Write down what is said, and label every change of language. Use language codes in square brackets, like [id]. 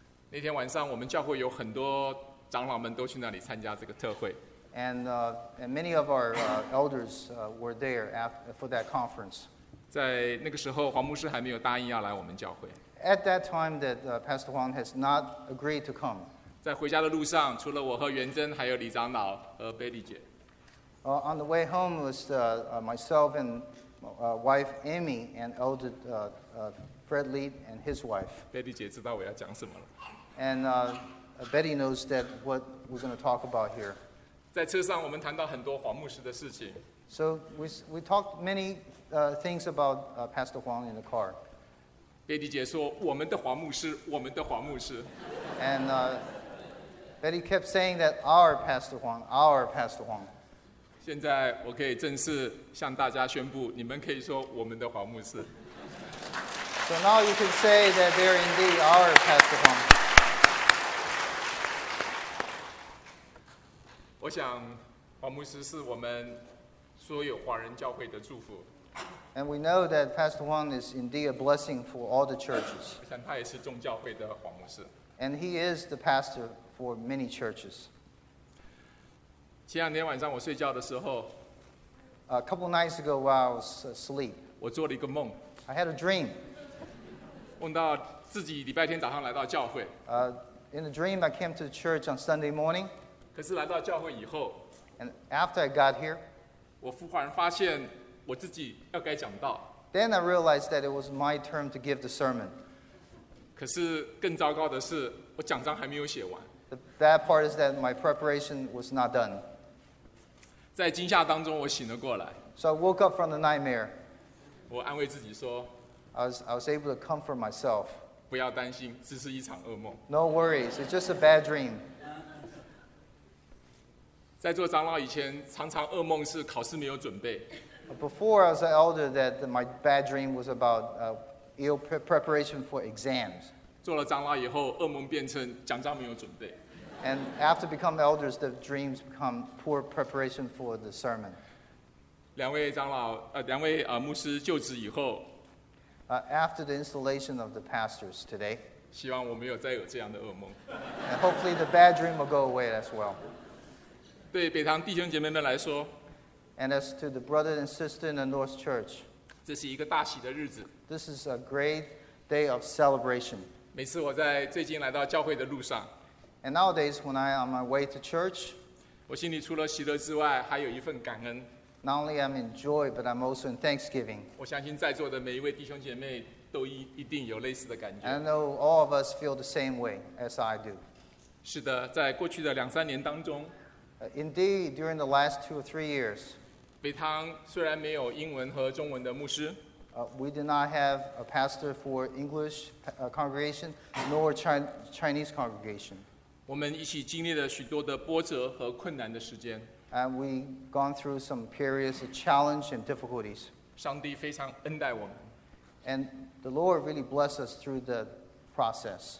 [zh] 那天晚上，我们教会有很多长老们都去那里参加这个特会。 [en] And many of our elders were there for that conference. [zh] 在那个时候，黄牧师还没有答应要来我们教会。 [en] At that time, that Pastor Huang has not agreed to come. [zh] 在回家的路上，除了我和元真，还有李长老和贝丽姐。 [en] On the way home was myself and wife Amy and elder Fred Lee and his wife. [zh] 贝丽姐知道我要讲什么了。 [en] And Betty knows that what we're going to talk about here. [zh] 在车上，我们谈到很多黄牧师的事情。 [en] So we talked many. Things about Pastor Huang in the car. [zh] 贝蒂姐说：“我们的黄牧师，我们的黄牧师。” [en] And Betty kept saying that our Pastor Huang, our Pastor Huang. [zh] 现在我可以正式向大家宣布，你们可以说我们的黄牧师。 [en] So now you can say that they're indeed our Pastor Huang. [zh] 我想黄牧师是我们所有华人教会的祝福。 [en] And we know that Pastor Huang is indeed a blessing for all the churches. [zh] 我想他也是众教会的黄牧师。 [en] And he is the pastor for many churches. [zh] 前两天晚上我睡觉的时候 [en] ，A couple nights ago while I was asleep, [zh] 我做了一个梦。 [en] I had a dream. [zh] 梦到自己礼拜天早上来到教会。 [en] In a dream, I came to the church on Sunday morning. [zh] 可是来到教会以后 [en] ，And after I got here, [zh] 我忽然发现。我自己要该讲道。 [en] Then I realized that it was my turn to give the sermon. [zh] 可是更糟糕的是，我讲章还没有写完。 [en] The bad part is that my preparation was not done. [zh] 在惊吓当中，我醒了过来。 [en] So I woke up from the nightmare. [zh] 我安慰自己说 [en] ，I was able to comfort myself. [zh] 不要担心，只是一场噩梦。 [en] No worries, it's just a bad dream. [zh] 在做长老以前，常常噩梦是考试没有准备。 [en] Before I was an elder, that my bad dream was about ill preparation for exams. [zh] 做了长老以后，噩梦变成讲章没有准备。 [en] And after become elders, the dreams become poor preparation for the sermon. [zh] 两位长老，两位牧师就职以后。 [en] After the installation of the pastors today. [zh] 希望我没有再有这样的噩梦。 [en] And hopefully the bad dream will go away as well. [zh] 对北堂弟兄姐妹们来说。 [en] And as to the brother and sister in the North Church, [zh] 这是一个大喜的日子。 [en] This is a great day of celebration. [zh] 每次我在最近来到教会的路上 [en] ，And nowadays when I am on my way to church, [zh] 我心里除了喜乐之外，还有一份感恩。 [en] Not only am I in joy, but I'm also in thanksgiving. [zh] 我相信在座的每一位弟兄姐妹都一定有类似的感觉。 [en] And I know all of us feel the same way as I do. [zh] 是的，在过去的两三年当中。 [en] Indeed, during the last two or three years, [zh] 北堂虽然没有英文和中文的牧师 [en] we did not have a pastor for English congregation nor Chinese congregation. [zh] 我们一起经历了许多的波折和困难的时间 [en] and we gone through some periods of challenge and difficulties. [zh] 上帝非常恩待我们 [en] and the Lord really blessed us through the process.